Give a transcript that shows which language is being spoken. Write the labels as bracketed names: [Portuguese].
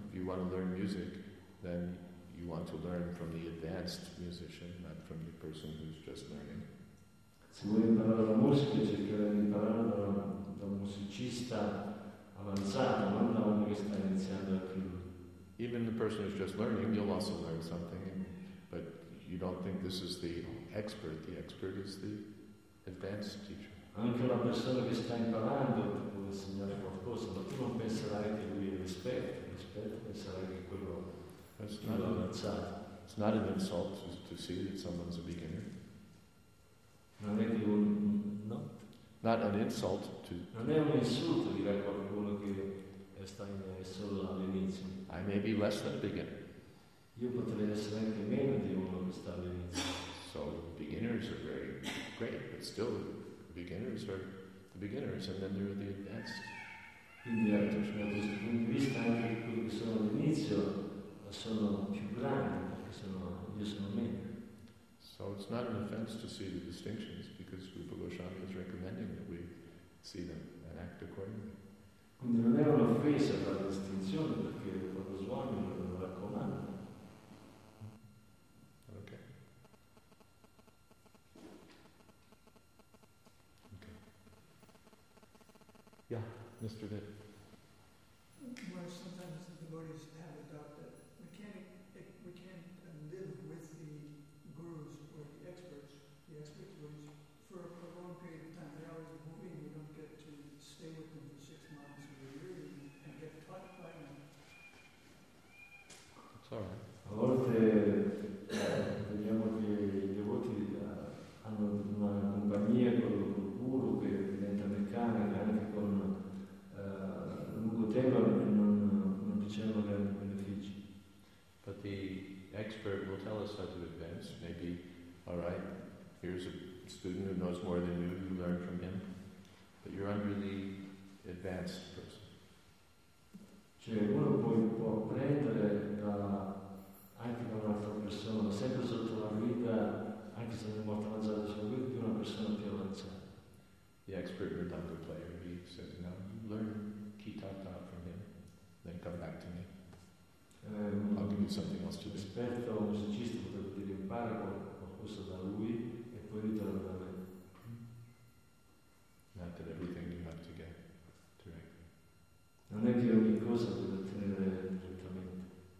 [English] If you want to learn music, then you want to learn from the advanced musician, not from the person who's just learning. [Italian] Se vuoi imparare la musica, cercare di imparare da un musicista avanzato, non da uno che sta iniziando a più. [English] Even the person who's just learning, you'll also learn something. You don't think this is the expert. The expert is the advanced teacher. [Italian] Anche la persona che sta imparando può insegnare qualcosa, ma tu non penserai che lui è l'esperto, penserai che quello è avanzato. [English] It's not an insult to see that someone's a beginner. [Italian] Non è che un no. [English] Not an insult to. [Italian] Non è un insulto dire a qualcuno che sta solo all'inizio. [English] I may be less than a beginner. [Italian] Io potrei essere anche meno di uno che sta all'inizio. [English] So beginners are very great, but still beginners are the beginners, and then they're the advanced. [Italian] Quindi da questo punto di vista anche quelli che sono all'inizio sono più grandi, perché sono, io sono meno. [English] So it's not an offense to see the distinctions, because Rupa Goswami is recommending that we see them and act accordingly. [Italian] Quindi non è un'offesa la distinzione, perché Rupa Goswami lo raccomanda. [English] Mr. Vitt. Well, sometimes the devotees have adopted, we can't live with the gurus or the expert gurus, for a long period of time. They're always moving, we don't get to stay with them for 6 months or a year and get taught by them. It's all right. [Italian] A volte vediamo che I devoti hanno una compagnia con il guru che diventa meccanica, anche con lungo tempo non riceviamo grandi benefici. [English] But the expert will tell us how to advance. Maybe, all right, here's a student who knows more than you, you learn from him. But you're under the advanced person. [Italian] Cioè, uno può prendere da anche da un'altra persona, sempre sotto la guida, anche se è molto avanzato, sulla guida di una persona più avanzata. [English] The expert redundant player, he says, no, you learn kitata from him, then come back to me. I'll give you something else to do. [Italian] Esperto musicista potrebbe imparare qualcosa da lui e poi ritorna da me. [English] Not that everything you have to get directly. [Italian] Non è che ogni cosa deve ottenere direttamente.